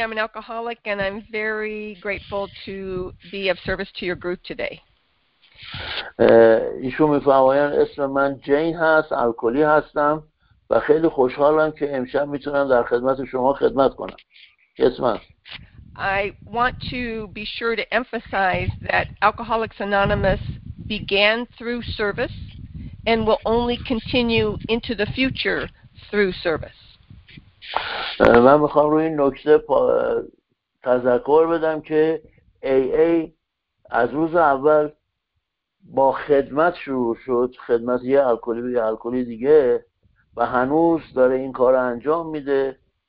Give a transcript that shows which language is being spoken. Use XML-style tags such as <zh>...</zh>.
<en>I'm an alcoholic, and I'm very grateful to be of service to your group today.</en> <fa>ایشون می‌فرمایند اسم من جین هست، الکلی هستم و خیلی خوشحالم که امشب میتونم در خدمت شما خدمت کنم. اسمم.</fa> <en>I want to be sure to emphasize that Alcoholics Anonymous began through service and will only continue into the future through service.</en> <fa>من میخوام روی این نکته تذکر بدم که AA از روز اول با خدمت شروع شد، خدمت یه الکلی به یه الکلی دیگه، و هنوز داره این کار انجام میده.</fa>